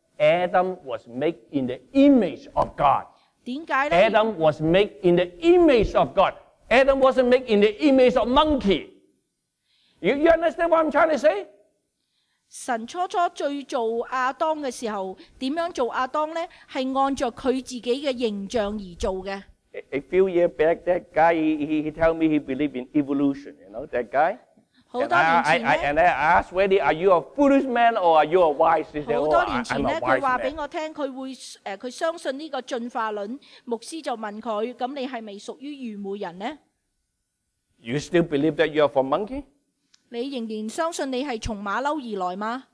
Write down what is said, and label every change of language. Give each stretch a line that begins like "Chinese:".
English: Adam was made in the image of God.
Cantonese: 點解呢?
English: Adam was made in the image of God. Adam wasn't made in the image of monkey. You understand what I'm trying to say?
Cantonese: 神初初最做亞當嘅時候，點樣做亞當呢？係按著佢自己嘅形象而做嘅。
English: A few years back, that guy, he told me he believed in evolution, you know, that guy?
Cantonese: 好多年前咧
English: ，and I ask Wendy, are you a foolish man or are you a wise man?
Cantonese: 好多年前咧，佢話俾我聽，佢會佢相信呢個進化論。牧師就問佢：咁你係咪屬於愚昧人呢
English: ？You still believe that you are from monkey?
Cantonese: 你仍然相信你係從馬騮而來嗎